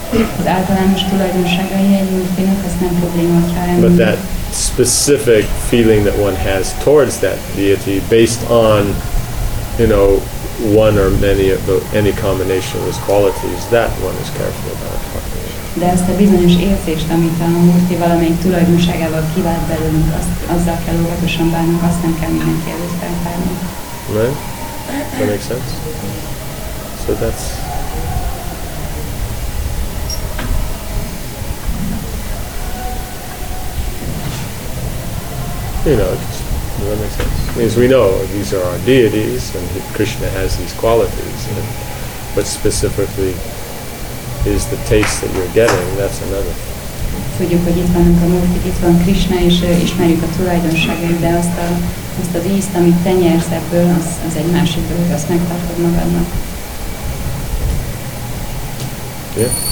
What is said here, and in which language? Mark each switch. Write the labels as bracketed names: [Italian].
[English] But that specific feeling that one has towards that deity, based on, you know, one or many of the, any combination of those qualities, that one is careful about talking. [Hungarian] De ezt a bizonyos érzést, amit a múlti valamelyik tulajdonságával kivált belőlünk, azzal kell óvatosan bánnunk, azt nem kell mindenki előtt feltárni. [English] Right? That makes sense? So that's... You know, does that make sense? Means we know these are our deities and Krishna has these qualities, and what specifically is the taste that you're getting, that's another thing. [Hungarian] tudjuk, hogy itt vannunk a Murti, itt van Krishna, és ismerjük a tulajdonságait, de azt a, azt a vízt, amit te nyersz ebből, az, az egy másik dolog, azt megtartod magadnak. [English] Okay.